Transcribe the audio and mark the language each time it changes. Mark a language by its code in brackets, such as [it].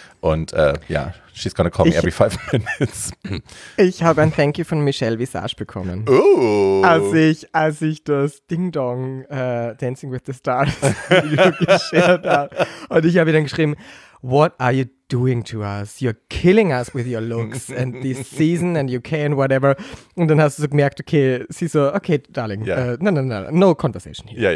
[de] Und [en] she's gonna call me every 5 minutes. [de] Ich habe ein Thank You von Michelle Visage bekommen. Oh! Als ich das Ding Dong Dancing with the Stars geshared habe. Und ich habe ihr dann geschrieben, [en] what are you doing to us? You're killing us with your looks and this season and UK and whatever. [de] Und dann hast du so gemerkt, okay, sie so, [en] okay, darling, no conversation here.